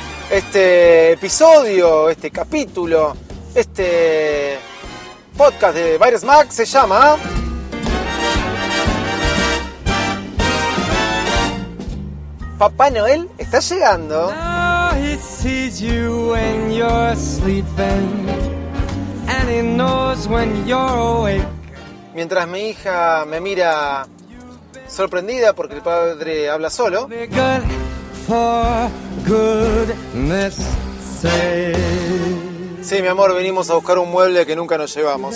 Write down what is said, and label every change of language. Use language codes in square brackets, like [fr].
[es] Este episodio, este capítulo, este podcast de Bite Smack se llama... Papá Noel está llegando. [en] Now he sees you when you're sleeping, and he knows when you're awake. [es] Mientras mi hija me mira sorprendida porque el padre habla solo. [en] Good for goodness sake. [es] Sí, mi amor, venimos a buscar un mueble que nunca nos llevamos.